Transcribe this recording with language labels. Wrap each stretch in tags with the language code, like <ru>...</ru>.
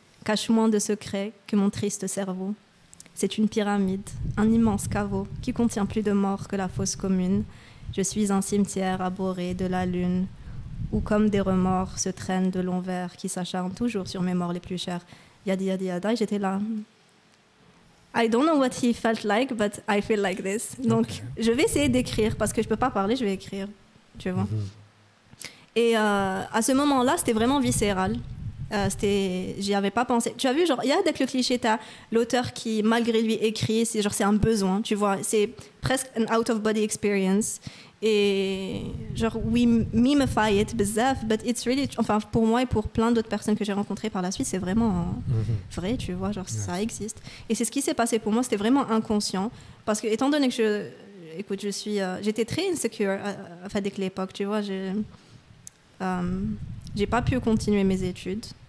<fr>Cache moins de secrets que mon triste cerveau. C'est une pyramide, un immense caveau qui contient plus de morts que la fosse commune. Je suis un cimetière abhorré de la lune où comme des remords se traînent de longs vers qui s'acharnent toujours sur mes morts les plus chères. Yadi yadi yada, et j'étais là...</fr> <en>I don't know what he felt like, but I feel like this.</en> <fr>Donc, je vais essayer d'écrire parce que je ne peux pas parler, je vais écrire. Tu vois. Et à ce moment-là, c'était vraiment viscéral. J'y avais pas pensé. Tu as vu, genre, il y a avec le cliché, tu as l'auteur qui, malgré lui, écrit, c'est un besoin. Tu vois, c'est presque</fr> <en>an out-of-body experience.</en> <fr>Et genre,</fr> <en>we mimify it, bizarre, but it's really.</en> <fr>Enfin, pour moi et pour plein d'autres personnes que j'ai rencontrées par la suite, c'est vraiment vrai, tu vois, genre, ça existe. Et c'est ce qui s'est passé pour moi, c'était vraiment inconscient. Parce que, étant donné que j'étais très insecure, en fait, avec l'époque, tu vois, j'ai pas pu continuer mes études.</fr>